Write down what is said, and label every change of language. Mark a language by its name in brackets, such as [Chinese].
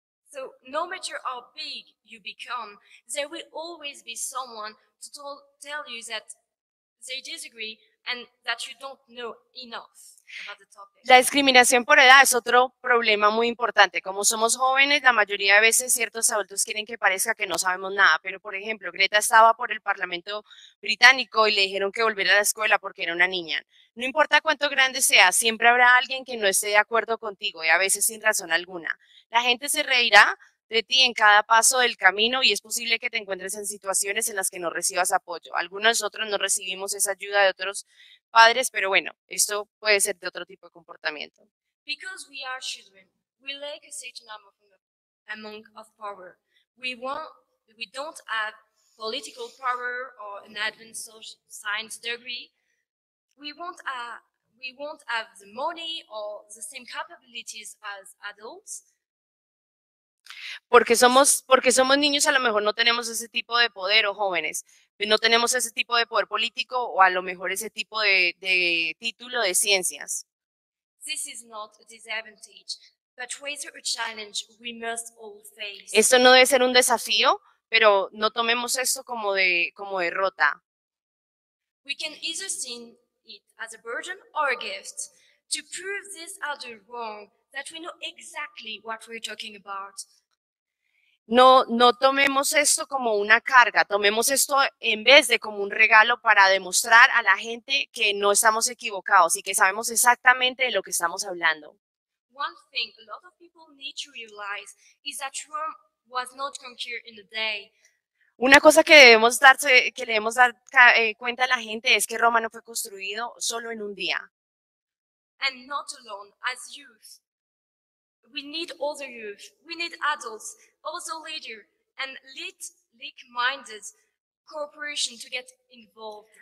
[English] So no matter how big you become, there will always be someone to tell you that they disagree and that you don't know enough about the topic. [Spanish] La discriminación por edad es otro problema muy importante. Como somos jóvenes, la mayoría de veces ciertos adultos quieren que parezca que no sabemos nada. Pero, por ejemplo, Greta estaba por el Parlamento Británico y le dijeron que volviera a la escuela porque era una niña. No importa cuánto grande sea, siempre habrá alguien que no esté de acuerdo contigo y a veces sin razón alguna. La gente se reirá de ti en cada paso del camino y es posible que te encuentres en situaciones en las que no recibas apoyo. Algunos de nosotros no recibimos esa ayuda de otros padres, pero bueno, esto puede ser de otro tipo de comportamiento. [English] Because we are children, we lack a certain amount of power. We don't have political power or an advanced social science degree. We won't have the money or the same capabilities as adults. [Spanish] Porque somos niños, a lo mejor no tenemos ese tipo de poder, o jóvenes, no tenemos ese tipo de poder político, o a lo mejor ese tipo de título de ciencias. [English] This is not a disadvantage, but rather a challenge we must all face. [Spanish] Esto no debe ser un desafío, pero no tomemos esto como derrota. [English] We can either see it as a burden or a gift. To prove this other wrong, that we know exactly what we're talking about. [Spanish] No tomemos esto como una carga, tomemos esto en vez de como un regalo para demostrar a la gente que no estamos equivocados y que sabemos exactamente de lo que estamos hablando. [English] One thing a lot of people need to realize is that Rome was not conquered in a day. [Spanish] Una cosa que debemos dar cuenta a la gente es que Roma no fue construido solo en un día. [English] And not alone, as youth. We need other youth, we need adults, also leaders and like-minded corporation to get involved.